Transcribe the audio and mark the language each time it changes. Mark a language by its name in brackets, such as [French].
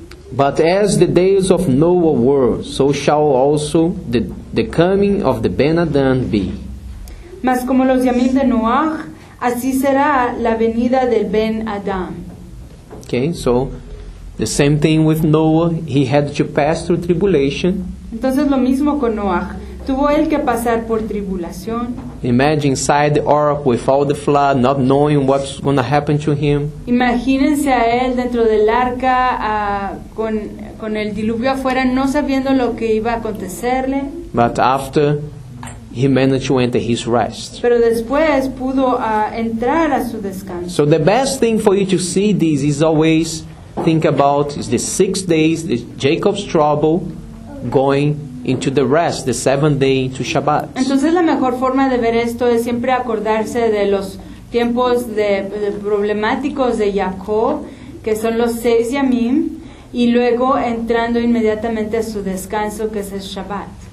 [English] But as the days of Noah were, so shall also the coming of the Ben-Adam be. [Spanish] Mas como los yamim de Noah, así será la venida del Ben-Adam. [English] Okay, so the same thing with Noah, he had to pass through tribulation. [Spanish] Entonces lo mismo con Noah. Tuvo él que pasar por tribulación. [English] Imagine inside the ark with all the flood, not knowing what's going to happen to him. [Spanish] Imagínense a él dentro del arca con el diluvio afuera, no sabiendo lo que iba a acontecerle. [English] But after he managed to enter his rest. [Spanish] Pero después pudo entrar a su descanso. [English] So the best thing for you to see this is always think about is the 6 days, the Jacob's trouble going into the rest, the seventh day to Shabbat. [Spanish] Entonces la mejor forma de ver esto es siempre acordarse de los tiempos de problemáticos de Jacob, que son los seis yamim, y luego entrando inmediatamente a su descanso, que es el Shabbat.